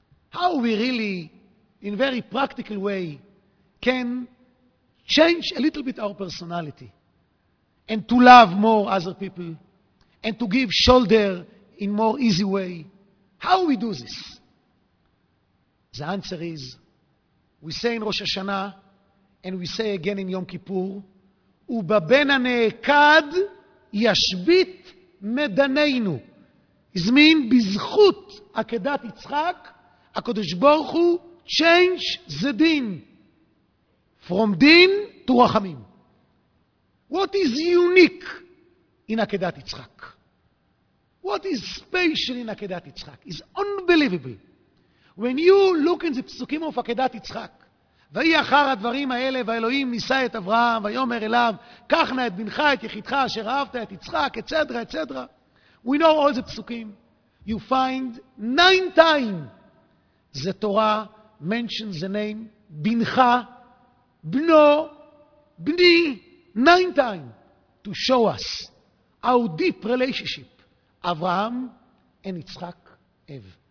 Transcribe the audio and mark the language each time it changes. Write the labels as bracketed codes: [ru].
[en] How we really, in very practical way, can change a little bit our personality and to love more other people and to give shoulder in more easy way. How we do this? The answer is, we say in Rosh Hashanah and we say again in Yom Kippur, [he] ובבן הנעקד ישבית מדנינו. הזמין בזכות עקדת יצחק, הקדוש ברוך הוא, [en] change the din. From din to רחמים. What is unique in עקדת יצחק? What is special in עקדת יצחק? It's unbelievable. When you look in the פסוקים of [he] עקדת יצחק, ויהי אחר הדברים האלה, והאלוהים נישא את אברהם, ויאמר אליו, קח נא את בנך, את יחידך, אשר אהבת, את יצחק, את סדרה, את סדרה. [en] We know all the פסוקים. You find 9 times the Torah mentions the name, [he] בנך, בנו, בני, [en] 9 times to show us how deep relationship אברהם and יצחק have.